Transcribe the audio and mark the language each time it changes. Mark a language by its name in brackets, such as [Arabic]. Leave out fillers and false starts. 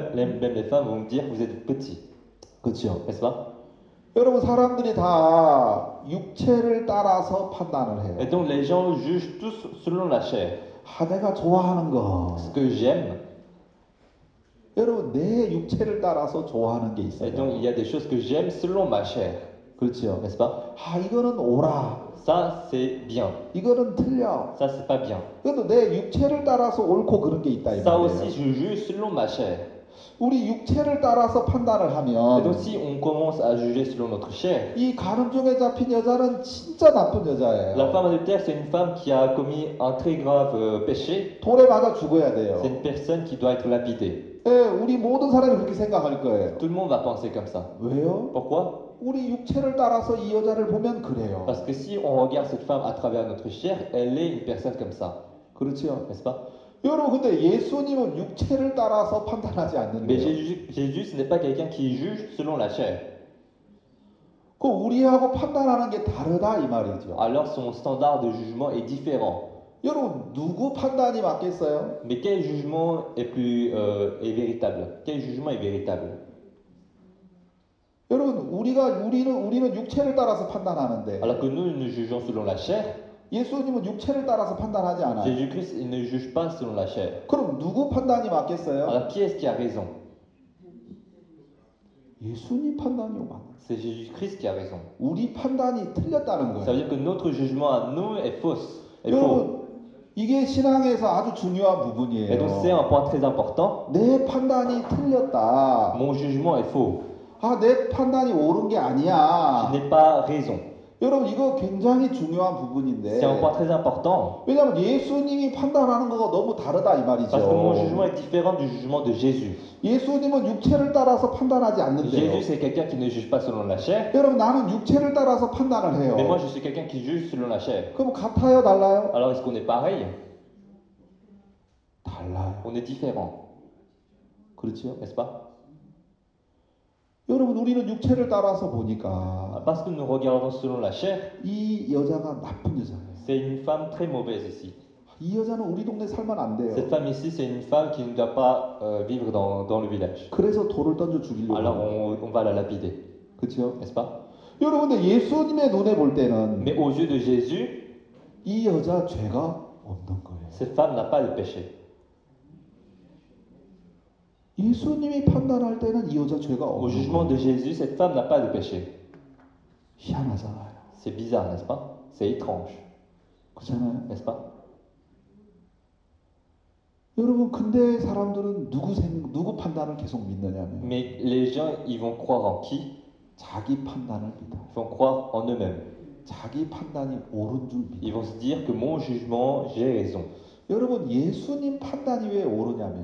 [French] même les femmes vont me dire, vous êtes petit. [Korean] 그렇죠? [French] N'est-ce pas? [Korean] 여러분 사람들이 다 육체를 따라서 판단을 [French] Et [Korean] 해요. [French] donc les gens jugent tous selon la chair. [Korean] 아, 내가 좋아하는 거. [French] Ce que j'aime. [Korean] 여러분 내 육체를 따라서 좋아하는 게 [French] Et donc, il y [Korean] 있어요. [French] a des choses que j'aime selon ma chair. [Korean] 그렇죠? [French] N'est-ce pas? [Korean] Ah, 이거는 옳아. 이거는 틀려. [French] Ça, c'est pas bien. [Korean] 그래도 내 육체를 따라서 옳고 그런 게 있다 이 [French] Ça aussi, je juge selon ma chair. [Korean] 말이에요. 우리 육체를 따라서 판단을 [French] Et donc, [Korean] 하면 [French] si on commence à juger selon notre chair, [Korean] 이 가늠죄에 잡힌 여자는 진짜 나쁜 [French] la [Korean] 여자예요. [French] femme adultère, c'est une femme qui a commis un très grave péché. [Korean] 돌에 맞아 죽어야 돼요. [French] C'est une personne qui doit être lapidée. [Korean] 예, 우리 모든 사람이 그렇게 생각할 [French] Tout le monde va penser comme ça. [Korean] 거예요. 왜요? [French] Pourquoi? [Korean] 우리 육체를 따라서 이 여자를 보면 그래요. [French] Parce que si on regarde cette femme à travers notre chair, elle est une personne comme ça. [Korean] 그렇죠. [French] N'est-ce pas? [Korean] 여러분, 근데 예수님은 육체를 따라서 판단하지 [French] Mais [Korean] 않는데요. [French] Jésus, ce n'est pas quelqu'un qui juge selon la chair. [Korean] 그 우리하고 판단하는 게 다르다 이 말이죠. [French] Alors son standard de jugement est différent. [Korean] 여러분, 누구 판단이 맞겠어요? [French] Mais quel jugement est plus est véritable? Quel jugement est véritable? [Korean] 여러분, 우리는 육체를 따라서 [French] Alors que [Korean] 판단하는데, [French] nous, nous jugeons selon la chair. [Korean] 예수님은 육체를 따라서 판단하지 않아요. [French] Jésus-Christ, il ne juge pas selon la chair. [Korean] 그럼 누구 판단이 맞겠어요? [French] Alors qui est-ce qui a raison? [Korean] 예수님 판단이 맞아요. [French] C'est Jésus-Christ qui a raison. [Korean] 우리 판단이 틀렸다는 [French] Ça veut dire que notre jugement à nous est fausse, est [Korean] 여러분, [French] faux. [Korean] 이게 신앙에서 아주 중요한 부분이에요. [French] Et donc c'est un point très important. [Korean] 내 판단이 틀렸다. [French] Mon jugement est faux. [Korean] 아, 내 판단이 옳은 게 [French] Je [Korean] 아니야. [French] n'ai pas raison. [Korean] 여러분, 이거 굉장히 중요한 부분인데. [French] C'est un point très important. [Korean] 왜냐면 예수님이 판단하는 거가 너무 다르다 이 [French] Parce que mon [Korean] 말이죠. [French] jugement est différent du jugement de Jésus. [Korean] 예수님은 육체를 따라서 판단하지 않는데요. [French] Jésus, c'est quelqu'un qui ne juge pas selon la chair. [Korean] 여러분, 나는 육체를 따라서 판단을 해요. [French] Mais moi, je suis quelqu'un qui juge selon la chair. [Korean] 그럼 같아요, 달라요? [French] Alors, est-ce qu'on est pareil? [Korean] 달라요. [French] On est différent. [Korean] 그렇죠? [French] N'est-ce pas? [Korean] 여러분, 우리는 육체를 따라서 보니까 [French] Parce que nous regardons selon la chair, [Korean] 이 여자가 나쁜 여자예요. [French] c'est une femme très mauvaise ici. [Korean] 이 여자는 우리 동네 살면 안 돼요. [French] Cette femme ici, c'est une femme qui ne doit pas vivre dans le village. [Korean] 그래서 돌을 던져 죽이려고. [French] Alors on va la lapider. [Korean] 그렇죠? [French] N'est-ce pas? [Korean] 여러분, 근데 예수님의 눈에 볼 때는 [French] Mais aux yeux de Jésus, [Korean] 이 여자 죄가 없는 거예요. [French] Cette femme n'a pas de péché. [Korean] 예수님이 판단할 때는 이 여자 죄가 [French] Au jugement de Jésus, cette femme n'a pas de péché. [Korean] 희한하잖아요. [French] C'est bizarre, n'est-ce pas? C'est étrange. [Korean] 그렇잖아요. [French] N'est-ce pas? [Korean] 여러분, 근데 사람들은 누구 판단을 계속 믿느냐면 [French] Mais les gens, ils vont croire en qui? [Korean] 자기 판단을 믿어. [French] Ils vont croire en eux-mêmes. [Korean] 자기 판단이 옳은 줄 믿어. [French] Ils vont se dire que mon jugement, j'ai raison. [Korean] 여러분, 예수님 판단이 왜 옳으냐면